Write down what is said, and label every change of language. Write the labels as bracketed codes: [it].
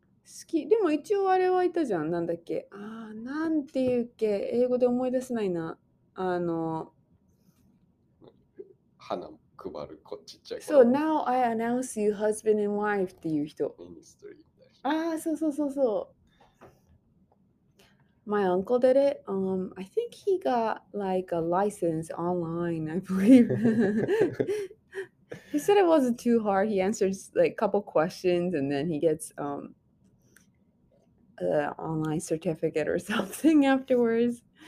[ja] 式でも一応あれはいたじゃん。なんだっけ。ああ、なんていうっけ。英語で思い出せないな。花配るこちっちゃい。そう、 [en] Now I announce you husband and wife [ja] っていう人。ミニストリーみたいな。ああ、そうそうそうそう。 [en] My uncle did it. I think he got like a license online, I believe. He said it wasn't too hard. He answers like a couple questions and then he gets an online certificate or something afterwards.